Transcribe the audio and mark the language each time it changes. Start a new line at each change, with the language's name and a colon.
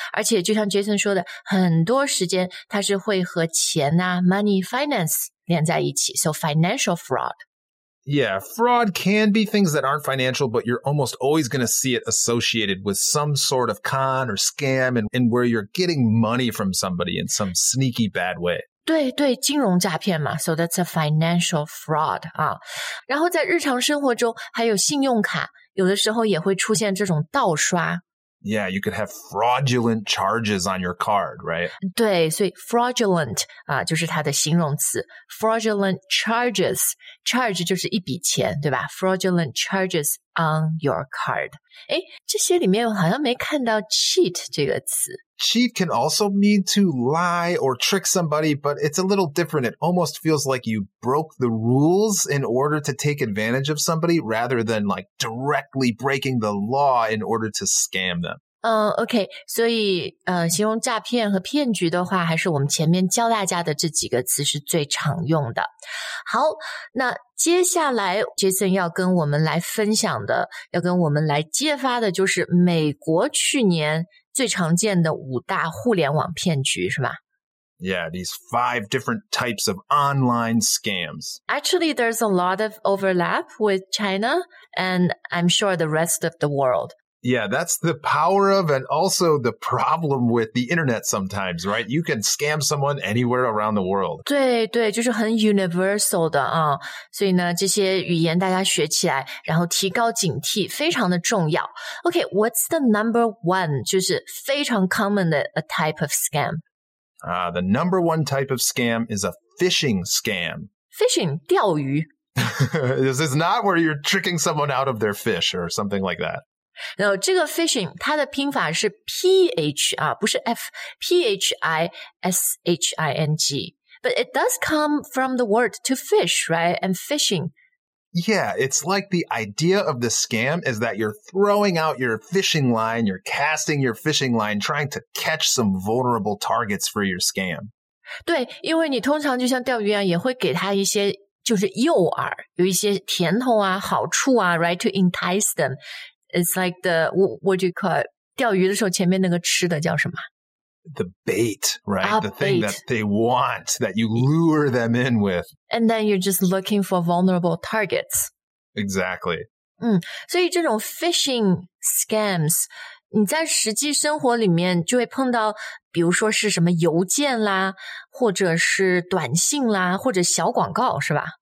Chinese: 而且就像 Jason 说的，很多时间它是会和钱啊
English: money, finance
Chinese: 连在一起。
English: So financial fraud. Yeah, fraud can be things that aren't financial, but you're almost always going to see it associated with some sort of con or scam and where you're getting money from somebody in some sneaky bad way.
Chinese: 对对，金融诈骗嘛
English: so that's a financial fraud.
Chinese: 啊，然后在日常生活中还有信用卡，有的时候也会出现这种盗刷。
English: Yeah, you could have fraudulent charges on your card, right?
Chinese: 对，所以 fraudulent 啊，就是它的形容词
English: fraudulent charges.
Chinese: Charge 就是一笔钱，对吧？
English: Fraudulent charges on your card.
Chinese: 诶，这些里面我好像没看到 cheat 这个词。
English: Cheat can also mean to lie or trick somebody, but it's a little different. It almost feels like you broke the rules in order to take advantage of somebody rather than like directly breaking the law in order to scam them.
Chinese: Okay, 所以形容诈骗和骗局的话还是我们前面教大家的这几个词是最常用的。好，那接下来 Jason 要跟我们来分享的要跟我们来揭发的就是美国去年最常见的五大互联网骗局是吧
English: Yeah, these five different types of online scams. Actually, there's a lot of overlap with China and I'm sure the rest of the world. Yeah, that's the power of and also the problem with the internet sometimes, right? You can scam someone anywhere around the world.
Chinese: 对对，就是很 universal 的啊。所以呢，这些语言大家学起来，然后提高警惕，非常的重要。
English: Okay, what's the number one?
Chinese: 就是非常
English: common 的 a type of scam. The number one type of scam is a phishing scam.
Chinese: Phishing, 钓鱼。
English: This is not where you're tricking someone out of their fish or something like that.
Chinese: No, 这个 phishing, 它的拼法是 ph, 啊不是 f, p-h-i-s-h-i-n-g.
English: But it does come from the word to fish, right? And phishing. Yeah, it's like the idea of the scam is that you're throwing out your fishing line, you're casting your fishing line, trying to catch some vulnerable targets for your scam.
Chinese: 对，因为你通常就像钓鱼一样，也会给他一些就是诱饵，有一些甜头啊，好处啊
English: right? To entice them. It's like the, what do you call it?
Chinese: 钓鱼的时候前面那个吃的叫什么
English: The bait, right? Ah, the thing bait. That they want, that you lure them in with. And then you're just looking for vulnerable targets. Exactly.
Chinese: 所以这种 phishing scams, 你在实际生活里面就会碰到比如说是什么邮件啦或者是短信啦或者小广告是吧